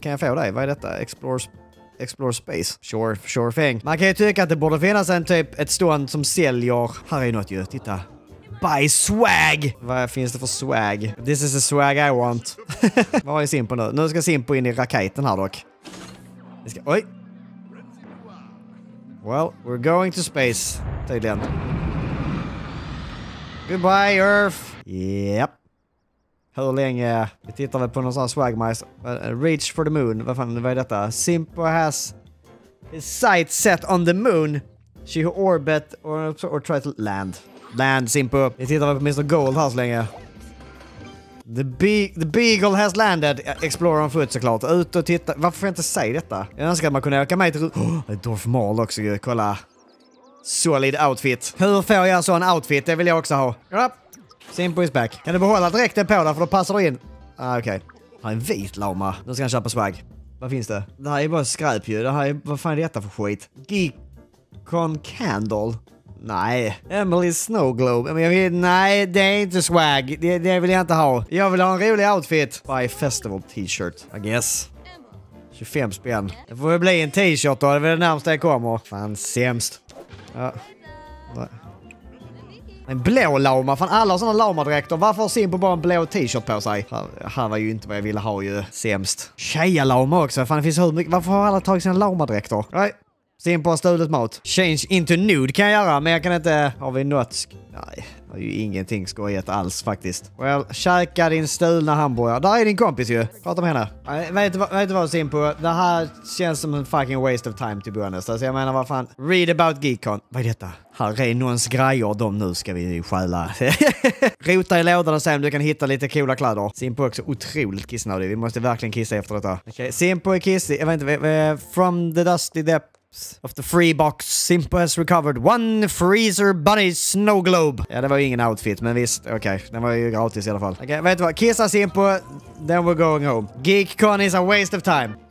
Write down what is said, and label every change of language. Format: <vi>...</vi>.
<sv>Kan jag få dig? Vad är detta?</sv> <en>Explore space. Sure thing.</en> <sv>Man kan ju tycka att det borde finnas en typ ett stånd som säljer. Här är något ju, titta.</sv> <en>Buy swag!</en> <sv>Vad finns det för swag?</sv> <en>This is the swag I want.</en> <sv>Var är Simpo nu? Nu ska Simpo in i raketen här dock. Oj!</sv> <en>Well, we're going to space.</en> <sv>Tydligen.</sv> <en>Goodbye, Earth!</en> <sv>Yep. Hur länge? Vi tittar väl på någon sån här swagmeister.</sv> <en>Reach for the moon.</en> <sv>Vad fan, vad är detta?</sv> <en>Simpo has his sights set on the moon. She orbit or try to land.</en> <sv>Land, Simpo. Vi tittar väl på Mr. Gold här så länge.</sv> <en>The beagle has landed. Explorer on foot</en> <sv>såklart. Ut och titta. Varför inte säga detta? Jag önskar att man kunde åka mig till... Oh, Darth Maul också. Kolla. Solid outfit. Hur får jag så en outfit? Det vill jag också ha.</sv> <en>Ja. Simpo is back.</en> <sv>Kan du behålla dräkten på där för då passar du in. Ah, okej. Okay. Han är en vit lama. Nu ska han köpa swag. Vad finns det? Det här är bara skräp ju. Det här är... Vad fan är detta för skit?</sv> <en>Geekon candle.</en> <sv>Nej, Emily Snowglobe. Nej, det är inte swag. Det vill jag inte ha. Jag vill ha en rolig outfit.</sv> <en>Buy festival t-shirt, I guess.</en> <sv>25 spänn. Det får ju bli en t-shirt då. Det är väl det närmaste jag kommer. Fan, sämst. En blå lama. Fan, alla har sådana lamadräkter. Varför har Simpo bara en blå t-shirt på sig? Han var ju inte vad jag ville ha ju. Sämst. Tjeja lama också. Fan, det finns hur mycket. Varför har alla tagit sina lamadräkter? Nej. Simpo har stulet mat.</sv> <en>Change into nude</en> <sv>kan jag göra, men jag kan inte... Har vi något... Nej, det är ju ingenting skojigt alls faktiskt. Well, käka din stulna hamburgare. Där är din kompis ju. Prata med henne. Vet du vad, Simpo? Det här känns som en</sv> <en>fucking waste of time, to be honest.</en> <sv>Alltså, jag menar, vad fan...</sv> <en>Read about Geekon.</en> <sv>Vad är detta? Här är någons grejer. De nu ska vi stjäla. Rota i lådan och se om du kan hitta lite coola kläder. Simpo är också otroligt kissnödig. Vi måste verkligen kissa efter detta. Okej, okay, Simpo är kissig. Jag vet inte,</sv> <en>from the dusty depth. Of the free box, Simpo has recovered one freezer bunny snow globe.</en> <sv>Ja, det var ju ingen outfit, men visst, okej. Okay. Den var ju gratis i alla fall. Okej, vet du vad? Kissa Simpo,</sv> <en>then we're going home. GeekCon is a waste of time.</en>